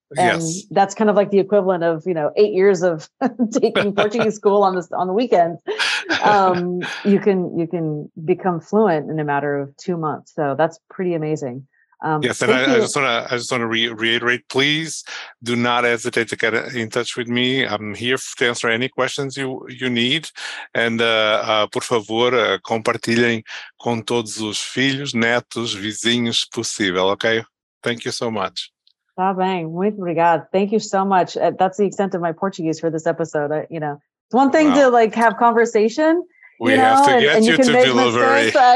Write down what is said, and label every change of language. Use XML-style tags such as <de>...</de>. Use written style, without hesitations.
<en>And yes, that's kind of like the equivalent of, you know, 8 years of taking Portuguese school on the weekend. You can become fluent in a matter of 2 months. So that's pretty amazing. I just want to reiterate, please do not hesitate to get in touch with me. I'm here to answer any questions you need.</en> <pt>And por favor, compartilhem com todos os filhos, netos, vizinhos possível, okay?</pt> <en>Thank you so much.</en> <pt>Tá bem, muito obrigado.</pt> <en>Thank you so much. That's the extent of my Portuguese for this episode. It's one thing to like have conversation. We have to get you to delivery.</en>